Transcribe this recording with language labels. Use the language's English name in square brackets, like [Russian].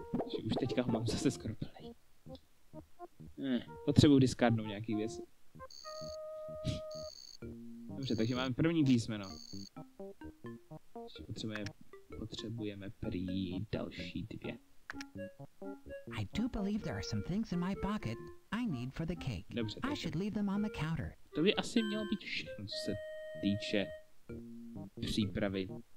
[Czech] Že už teďka ho mám zase skoro plný. Potřebuji diskardnout nějaký věc. Dobře, takže máme první písmeno. Ještě potřebujeme prý další dvě. [English] I do believe there are some things in my pocket I need for the cake. [Czech] Dobře, [English] I should leave them on the counter. [Czech] To by asi mělo být všechno, co se týče přípravy.